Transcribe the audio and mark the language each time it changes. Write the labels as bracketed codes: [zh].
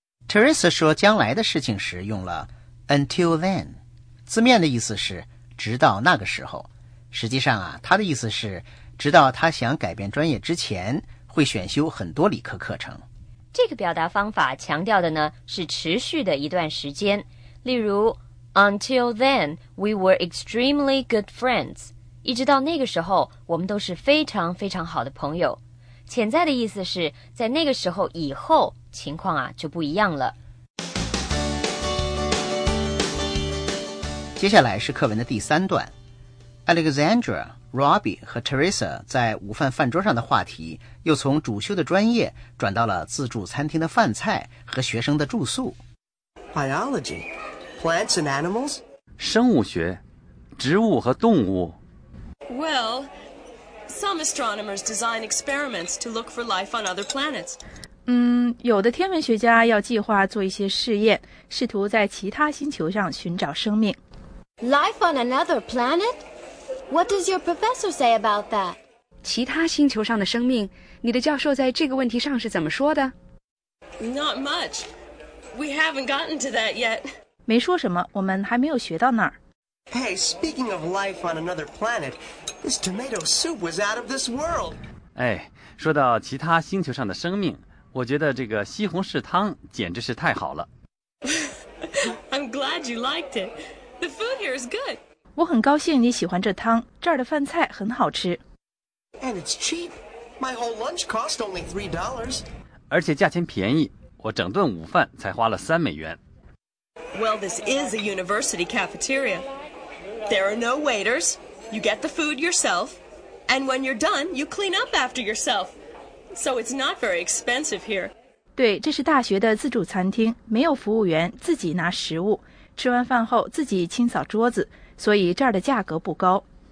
[zh] Teresa 说将来的事情时用了 [en] until then， [zh] 字面的意思是直到那个时候。实际上啊，他的意思是直到他想改变专业之前，会选修很多理科课程。这个表达方法强调的呢是持续的一段时间。例如 [en] ，Until then, we were extremely good friends. [zh] 一直到那个时候，我们都是非常非常好的朋友。潜在的意思是在那个时候以后，情况啊就不一样了。接下来是课文的第三段 ，Alexandra, Robbie 和 Teresa 在午饭饭桌上的话题，又从主修的专业转到了自助餐厅的饭菜和学生的住宿。 [en] Biology. Plants and animals? [zh] 生物学，植物和动物。 [en] Well, some astronomers design experiments to look for life on other planets. [zh] 有的天文学家要计划做一些试验，试图在其他星球上寻找生命。 [en] Life on another planet? What does your professor say about that? [zh] 其他星球上的生命，你的教授在这个问题上是怎么说的？ [en] Not much. We haven't gotten to that yet. [zh] 没说什么，我们还没有学到那儿。 [en] Hey, speaking of life on another planet, this tomato soup was out of this world. [zh] 哎，说到其他星球上的生命，我觉得这个西红柿汤简直是太好了。 [en] I'm glad you liked it. The food here is good. [zh] 我很高兴你喜欢这汤，这儿的饭菜很好吃。 [en] And it's cheap. My whole lunch cost only $3. [zh] 而且价钱便宜，我整顿午饭才花了$3。 [en] Well, this is a university cafeteria. There are no waiters. You get the food yourself. And when you're done, you clean up after yourself. So it's not very expensive here. [zh] 对，这是大学的自助餐厅，没有服务员，自己拿食物，吃完饭后自己清扫桌子，所以这儿的价格不高。